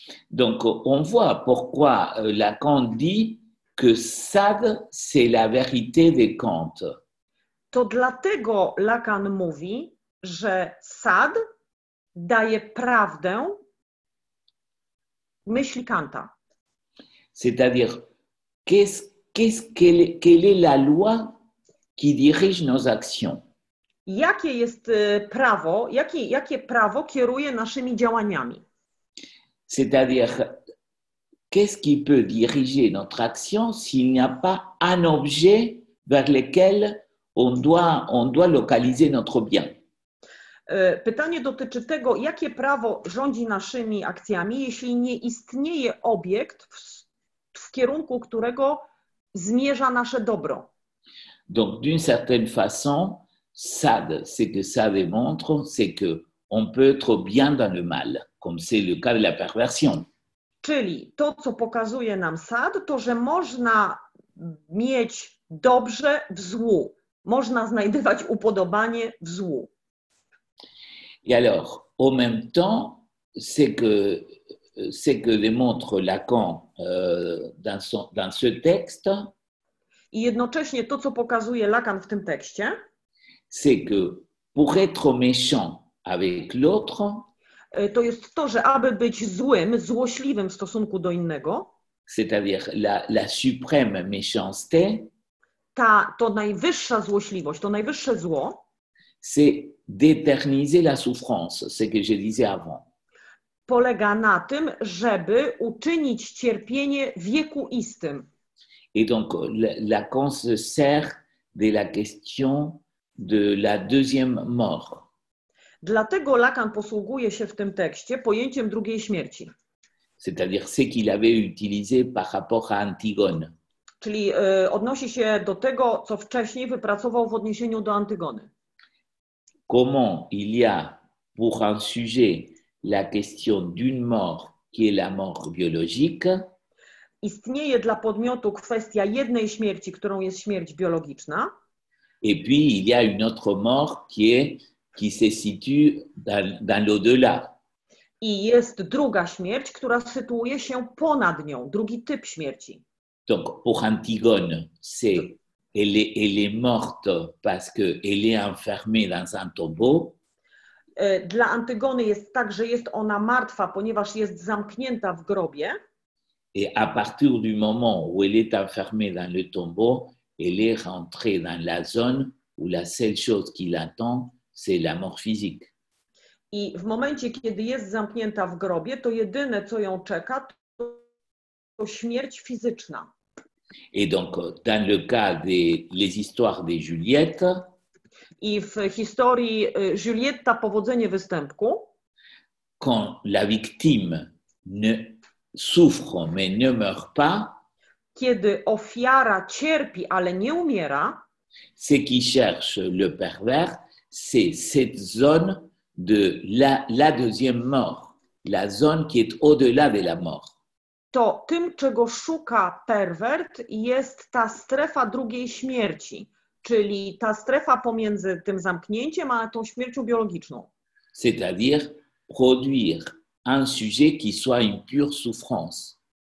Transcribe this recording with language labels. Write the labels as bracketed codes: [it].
[fr] Donc on voit pourquoi Lacan dit que Sade, c'est la vérité de Kant. [pl] To dlatego Lacan mówi, że Sade daje prawdę myśli Kanta. [fr] C'est-à-dire, quelle est la loi qui dirige nos actions? [pl] Jakie jest prawo, jakie prawo kieruje naszymi działaniami? [fr] C'est-à-dire, qu'est-ce qui peut diriger notre action s'il n'y a pas un objet vers lequel on doit localiser notre bien. [pl] Pytanie dotyczy tego, jakie prawo rządzi naszymi akcjami, jeśli nie istnieje obiekt w kierunku którego zmierza nasze dobro. [fr] Donc d'une certaine façon, ce que ça démontre, c'est que on peut être bien dans le mal, comme c'est le cas de la perversion. [pl] Czyli to, co pokazuje nam Sad, to że można mieć dobrze w złu. Można znajdować upodobanie w złu. [fr] Et alors, en même temps, ce que démontre Lacan dans ce texte, [pl] i jednocześnie to, co pokazuje Lacan w tym tekście, [fr] c'est que pour être méchant avec l'autre, [pl] to jest to, że aby być złym, złośliwym w stosunku do innego, [fr] c'est-à-dire la suprême méchanceté, [pl] to najwyższa złośliwość, to najwyższe zło, [fr] c'est d'éterniser la souffrance, ce que je disais avant. [pl] Polega na tym, żeby uczynić cierpienie wiekuistym. [fr] Et donc, Lacan se sert de la question de la deuxième mort. [pl] Dlatego Lacan posługuje się w tym tekście pojęciem drugiej śmierci. [fr] C'est-à-dire ce qu'il avait utilisé par rapport à Antigone. [pl] Czyli odnosi się do tego, co wcześniej wypracował w odniesieniu do Antygony. [fr] Comment il y a pour un sujet la question d'une mort qui est la mort biologique? [pl] Istnieje dla podmiotu kwestia jednej śmierci, którą jest śmierć biologiczna. [fr] Et puis il y a une autre mort qui se situe dans l'au-delà. [pl] I jest druga śmierć, która sytuuje się ponad nią, drugi typ śmierci. [fr] Donc pour Antigone, c'est elle est morte parce que elle est enfermée dans un tombeau. [pl] Dla Antygony jest tak, że jest ona martwa, ponieważ jest zamknięta w grobie. [fr] Et à partir du moment où elle est enfermée dans le tombeau, elle est rentrée dans la zone où la seule chose qui l'attend, c'est la mort physique. [pl] I w momencie, kiedy jest zamknięta w grobie, to jedyne, co ją czeka, to śmierć fizyczna. [fr] Et donc, dans le cas des histoires de Juliette, [pl] i w historii Julietta powodzenie występku, [fr] quand la victime ne souffre mais ne meurt pas, [pl] kiedy ofiara cierpi, ale nie umiera, [fr] ce qui cherche le pervers, c'est cette zone de la deuxième mort, la zone qui est au-delà de la mort. [pl] To tym, czego szuka pervert, jest ta strefa drugiej śmierci, czyli ta strefa pomiędzy tym zamknięciem a tą śmiercią biologiczną. [fr] C'est-à-dire produire un sujet qui soit une pure souffrance.